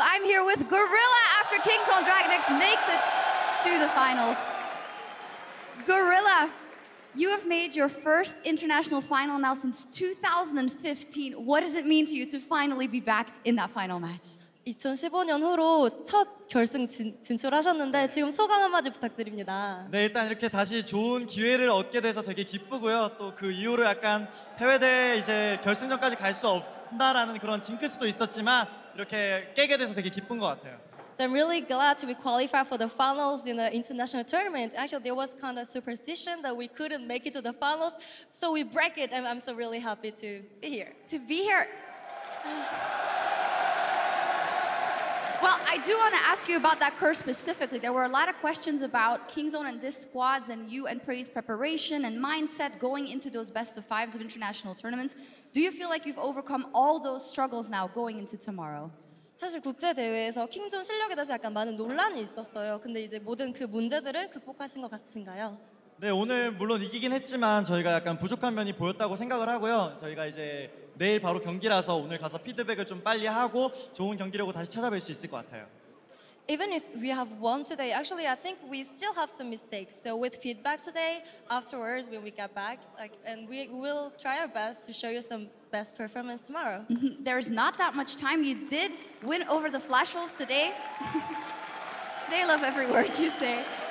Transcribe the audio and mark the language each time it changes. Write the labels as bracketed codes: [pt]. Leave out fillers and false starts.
[en] I'm here with Gorilla after King Zone DragonX makes it to the finals. Gorilla, you have made your first international final now since 2015. What does it mean to you to finally be back in that final match? [ko] 2015년 후로 첫 결승 진출하셨는데 지금 소감 한마디 부탁드립니다. 네, 일단 이렇게 다시 좋은 기회를 얻게 돼서 되게 기쁘고요. 또 그 이후로 약간 해외대회 이제 결승전까지 갈 수 없다라는 그런 징크스도 있었지만 이렇게 깨게 돼서 되게 기쁜 것 같아요. [en] So I'm really glad to be qualified for the finals in the international tournament. Actually, there was kind of superstition that we couldn't make it to the finals, so we break it, and I'm so really happy to be here. To be here. Well, I do want to ask you about that curse specifically. There were a lot of questions about Kingzone and this squads and you and Prey's preparation and mindset going into those best of fives of international tournaments. Do you feel like you've overcome all those struggles now going into tomorrow? [ko] 사실 국제 대회에서 킹존 실력에 대해서 약간 많은 논란이 있었어요. 근데 이제 모든 그 문제들을 극복하신 것 같은가요? 네, 오늘 물론 이기긴 했지만 저희가 약간 부족한 면이 보였다고 생각을 하고요. 저희가 이제 내일 바로 경기라서 오늘 가서 피드백을 좀 빨리 하고 좋은 경기력으로 다시 찾아뵐 수 있을 것 같아요. [en] Even if we have won today, actually I think we still have some mistakes. So with feedback today, afterwards when we get back, like, and we will try our best to show you some best performance tomorrow. There's not that much time. You did win over the Flash Wolves today. They love every word you say.